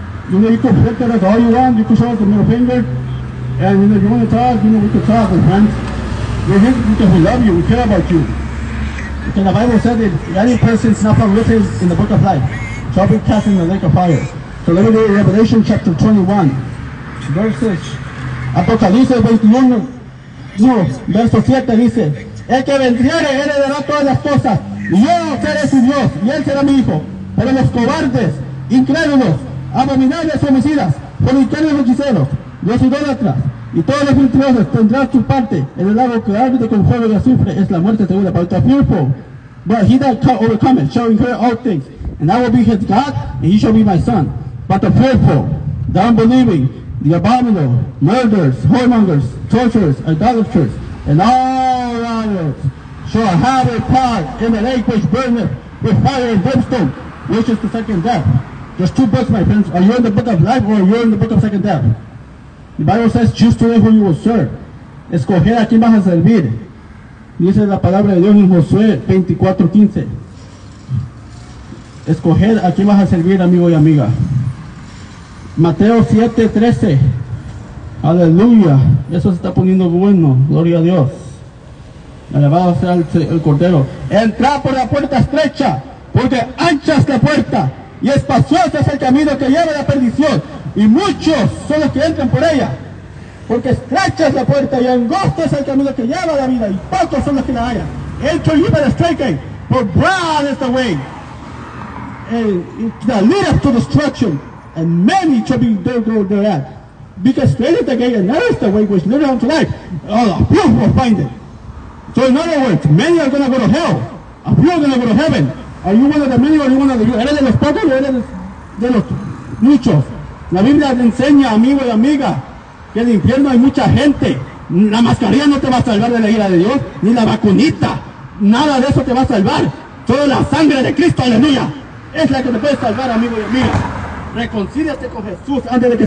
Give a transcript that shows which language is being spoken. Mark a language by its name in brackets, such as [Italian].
[English] You know, you could flip that as all you want. You could show us the middle finger. And you know, if you want to talk, you know, we could talk, my friends. We're here because we love you. We care about you. Because the Bible said that if any person is not found written in the book of life, shall be cast in the lake of fire. So let me read Revelation chapter 21, verses. [Spanish] Apocalipsis 21, no, verso 7 dice, el que vendiere heredará todas las cosas, yo seré su Dios, y él será mi hijo. Pero los cobardes, incrédulos, abominables homicidas, fornicarios y hechiceros, los idólatras, y todos los filtrosos tendrán su parte en el lago que arde con fuego y azufre, es la muerte segunda. [English] But the fearful, but he that overcometh shall inherit all things, and I will be his God, and he shall be my son. But the fearful, the unbelieving, the abominable, murderers, whoremongers, torturers, idolaters, and all liars shall have a part in the lake which burneth with fire and brimstone, which is the second death. There's two books, my friends. Are you in the book of life or are you in the book of second death? The Bible says, choose today who you will serve. [Spanish] Escoger a quien vas a servir. Dice la palabra de Dios en Josué 24:15. Escoger a quien vas a servir, amigo y amiga. Mateo 7:13. Aleluya. Eso se está poniendo bueno. Gloria a Dios. Alabado sea el Cordero. Entra por la puerta estrecha, porque ancha es la puerta y espacioso es el camino que lleva a la perdición. Y muchos son los que entran por ella, porque estrecha es la puerta y angosto es el camino que lleva a la vida, y pocos son los que la hallan. [English] Enter ye by the straight gate, for broad is the way that leadeth to destruction, and many shall be thereat. Because straight is the gate, and narrow is the way which leadeth unto life, a few will find it. So in other words, many are going to go to hell, a few are going to go to heaven. Are you one of the many or are you one of the few? [Spanish] ¿Eres de los pocos o eres de los muchos? La Biblia te enseña, amigo y amiga, que en el infierno hay mucha gente. La mascarilla no te va a salvar de la ira de Dios, ni la vacunita. Nada de eso te va a salvar. Solo la sangre de Cristo, aleluya, es la que te puede salvar, amigo y amiga. Reconcíliate con Jesús antes de que...